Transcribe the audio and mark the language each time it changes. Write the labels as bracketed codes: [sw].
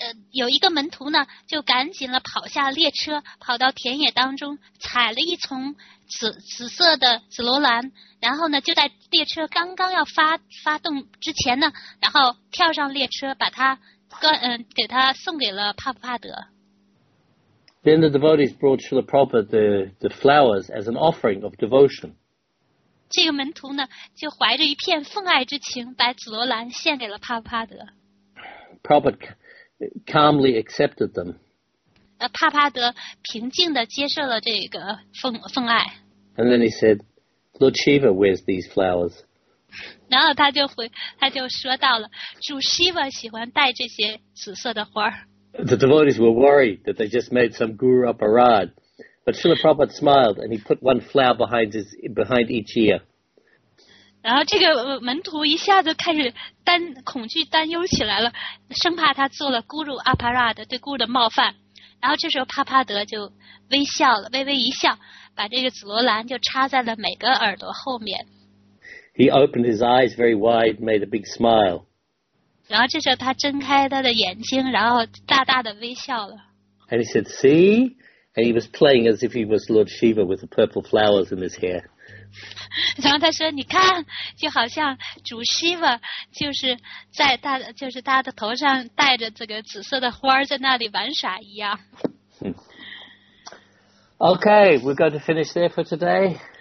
[zh] 有一个门徒呢，就赶紧了跑下列车，跑到田野当中，采了一丛紫色的紫罗兰，然后呢，就在列车刚刚要发动之前呢，然后跳上列车，把它给他送给了帕布帕德。 [en] Then the devotees brought Srila Prabhupada the flowers as an offering of devotion. [zh] 这个门徒呢，就怀着一片奉爱之情，把紫罗兰献给了帕布帕德。 [en] Prabhupada calmly accepted them. [zh] 帕帕德平静地接受了这个奉爱。 [en] And then he said, Lord Shiva wears these flowers. [zh] 然后他就说到了，主 Shiva 喜欢戴这些紫色的花。 [en] The devotees were worried that they just made some guru up a rod. But Srila Prabhupada smiled and he put one flower behind each ear. [zh] 然后这个门徒一下子开始恐惧担忧起来了，生怕他做了 Guru Aparad 对 Guru 的冒犯。然后这时候帕帕德就微笑了，微微一笑，把这个紫罗兰就插在了每个耳朵后面。 [en] He opened his eyes very wide, made a big smile. [zh] 然后这时候他睁开他的眼睛，然后大大的微笑了。 [en] And he said, "See," and he was playing as if he was Lord Shiva with the purple flowers in his hair. [zh] 然后他说你看就好像主 Shiva 就是在他的就是他的头上戴着这个紫色的花在那里玩耍一样。 [en] OK, we're going to finish there for today.